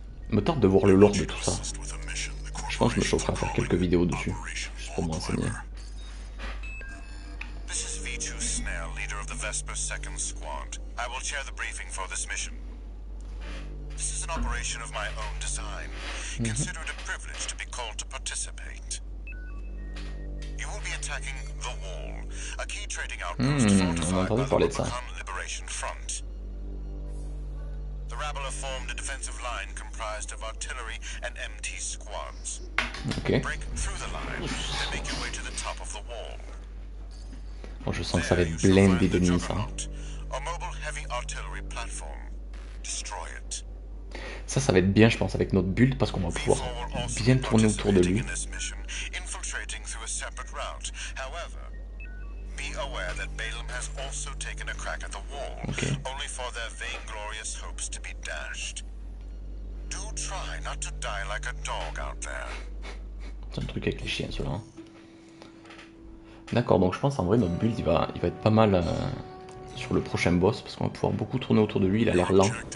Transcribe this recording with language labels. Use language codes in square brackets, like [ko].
[fr] Me tarde de voir le lore de tout ça. Je pense que je me chaufferai à faire quelques vidéos dessus, juste pour m'enseigner. [en] This is V2 Snail, leader of the Vesper Second Squad. I will chair the briefing for this mission. This is an operation of my own design. Consider it a privilege to be called to participate. You will be attacking the wall, a key trading outpost fortified by the Lubicon Liberation Front. The rabble have formed a defensive line comprised of artillery and MT squads. Okay. Break through the line and make your way to the top of the wall. [fr] Bon, je sens que ça va être blindé de nuit, ça. [en] A mobile heavy artillery platform. Destroy it. [fr] Ça va être bien, je pense, avec notre build, parce qu'on va pouvoir bien tourner autour de lui. [en] Infiltrating through a separate route. However, be aware that Balaam has also taken a crack at the wall, okay. Only for their vainglorious hopes to be dashed. Do try not to die like a dog out there. [fr] C'est un truc avec les chiens, cela. Hein. D'accord, donc je pense en vrai notre build il va être pas mal sur le prochain boss parce qu'on va pouvoir beaucoup tourner autour de lui. Il a l'air lent.